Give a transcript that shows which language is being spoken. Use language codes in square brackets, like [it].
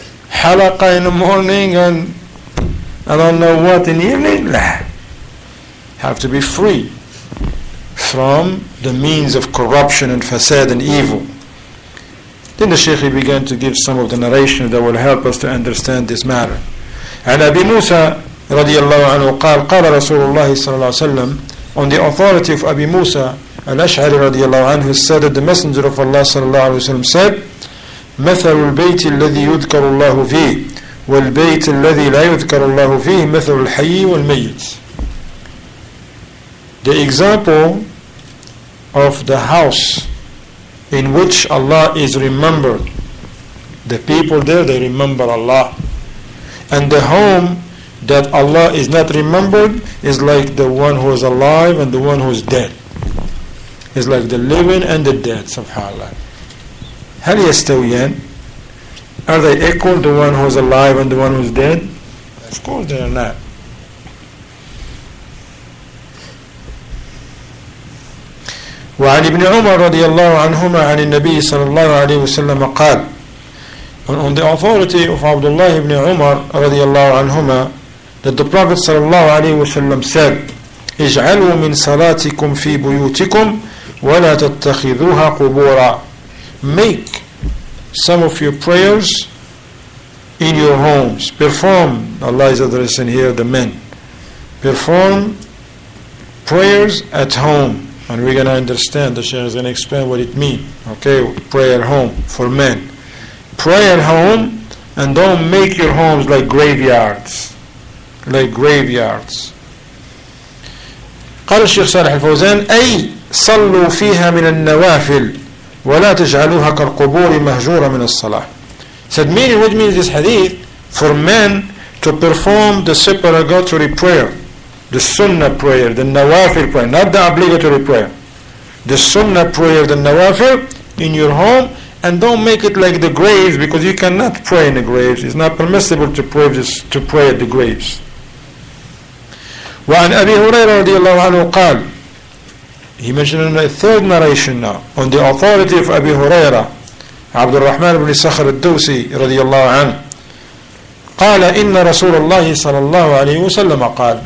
[en] Halaqa in the morning and I don't know what in the evening? Nah. Have to be free from the means of corruption and fasad and evil. Then the Shaykh began to give some of the narration that will help us to understand this matter. [ar] عن أبي موسى رضي الله عنه قال قال رسول الله صلى الله عليه وسلم [en] on the authority of [ar] أبي موسى الأشعري رضي الله عنه [en] said that the messenger of Allah [ar] صلى الله عليه وسلم said مثل البيت الذي يذكر الله فيه والبيت الذي لا يذكر الله فيه مثل الحي والميت. [en] The example of the house in which Allah is remembered, the people there, they remember Allah. And the home that Allah is not remembered is like the one who is alive and the one who is dead. It's like the living and the dead, subhanAllah. [ar] هل يستويان? [en] Are they equal, the one who is alive and the one who is dead? Of course they are not. [ar] وعن ابن عمر رضي الله عنهما عن النبي صلى الله عليه وسلم قال [en] And on the authority of Abdullah ibn Umar radiallahu anhuma, that the Prophet sallallahu alayhi wa sallam said, [ar] اجعلوا من صلاتكم في بيوتكم ولا تتخذوها قبورا. [en] Make some of your prayers in your homes. Perform, Allah is addressing here the men. Perform prayers at home. And we're going to understand, the Shaykh is going to explain what it means. Okay, prayer home for men. Pray at home and don't make your homes like graveyards. Like graveyards. [ar] قال الشيخ صالح الفوزان أي صلوا فيها من النوافل ولا تجعلوها كالقبور مهجورة من الصلاة. [en] Said meaning, what means this hadith? For men to perform the supererogatory prayer, the sunnah prayer, the nawafil prayer, not the obligatory prayer, the sunnah prayer, the nawafil in your home. And don't make it like the graves, because you cannot pray in the graves. It's not permissible to pray just to pray at the graves. [ar] وعن أبي هريرة رضي الله عنه قال. [en] He mentioned a third narration now on the authority of أبي هريرة, عبد الرحمن بن صخر الدوسي رضي الله عنه. [ar] قال إن رسول الله صلى الله عليه وسلم قال.